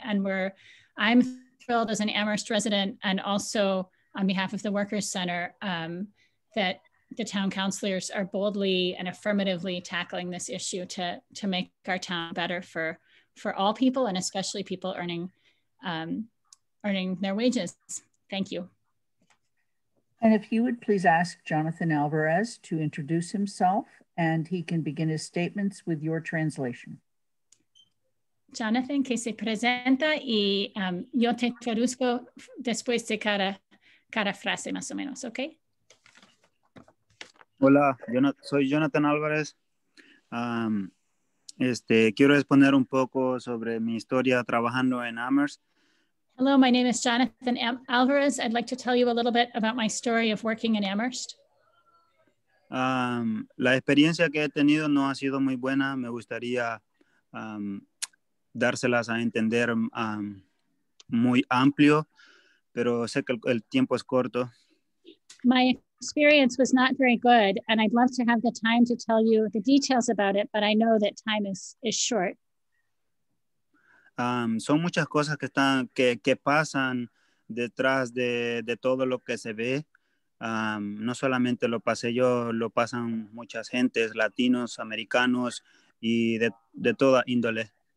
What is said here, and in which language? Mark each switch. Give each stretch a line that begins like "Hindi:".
English: And I'm thrilled as an Amherst resident and also on behalf of the Workers' Center that the town councilors are boldly and affirmatively tackling this issue to make our town better for all people, and especially people earning their wages. Thank you. And if you would please ask Jonathan Alvarez to introduce himself, and he can begin his statements with your translation.
Spanish: Jonathan, que se presenta y yo te traduzco después de cada frase más o menos, ¿ok? Hola, soy Jonathan Álvarez. Quiero responder un poco sobre mi historia trabajando en Amherst.
English: Hello, my name is Jonathan Alvarez. I'd like to tell you a little bit about my story of working in Amherst.
Spanish: La experiencia que he tenido no ha sido muy buena. Me gustaría dárselas a entender muy amplio, pero sé que el tiempo es corto.
English: My experience was not very good, and I'd love to have the time to tell you the details about it, but I know that time is short.
Spanish: Son muchas cosas que pasan detrás de todo lo que se ve. No solamente lo pasé yo, lo pasan muchas gentes, latinos, americanos, y de toda índole.